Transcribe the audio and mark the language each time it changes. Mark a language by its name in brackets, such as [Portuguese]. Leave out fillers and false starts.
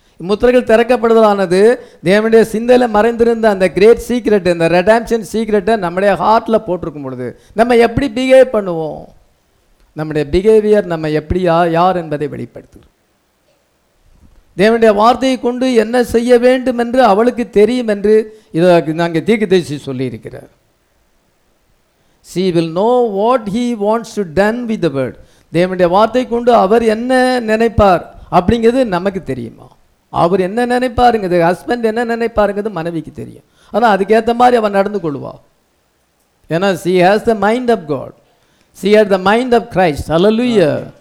[Tamil] முத்திரைகள் திறக்கப்படுதலானது தேவனுடைய சிந்தையில் மறைந்திருந்த அந்த கிரேட் சீக்ரெட், அந்த ரெடாம்ஷன் சீக்ரெட்டை நம்முடைய ஹார்ட்டில் போட்டிருக்கும் பொழுது நம்ம எப்படி பிஹேவ் பண்ணுவோம், நம்முடைய பிஹேவியர் நம்ம எப்படி யார் என்பதை வெளிப்படுத்துகிறோம். தேவனுடைய வார்த்தையை கொண்டு என்ன செய்ய வேண்டும் என்று அவளுக்கு தெரியும் என்று இதை நாங்கள் தீர்க்கதரிசி சொல்லியிருக்கிறார். [English] She will know what he wants to done with the word. [Tamil] தேவனுடைய வார்த்தை கொண்டு அவர் என்ன நினைப்பார் அப்படிங்கிறது நமக்கு தெரியுமா? அவர் என்ன நினைப்பாருங்கிறது, ஹஸ்பண்ட் என்ன நினைப்பாருங்கிறது மனைவிக்கு தெரியும். ஆனால் அதுக்கேற்ற மாதிரி அவன் நடந்து கொள்வா. ஏன்னா [English] She has the mind of God, she has the mind of Christ. [Tamil] Hallelujah.